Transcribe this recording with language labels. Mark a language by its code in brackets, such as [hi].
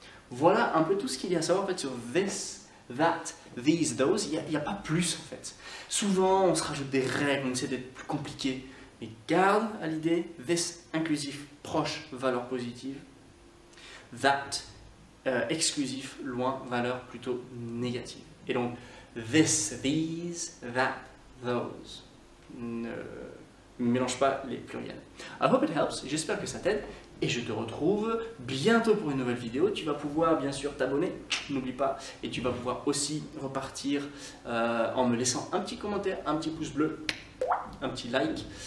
[fr] Voilà un peu tout ce qu'il y a à savoir en fait sur this, that, these, those, il n'y a pas plus en fait. Souvent on se rajoute des règles, on essaie d'être plus compliqué, mais garde à l'idée, this, inclusif, proche, valeur positive, that, exclusif, loin, valeur plutôt négative. Et donc, this, these, that, those. Ne mélange pas les pluriels. [en] I hope it helps. [fr] J'espère que ça t'aide. Et je te retrouve bientôt pour une nouvelle vidéo. Tu vas pouvoir, bien sûr, t'abonner. N'oublie pas. Et tu vas pouvoir aussi repartir en me laissant un petit commentaire, un petit pouce bleu, un petit like.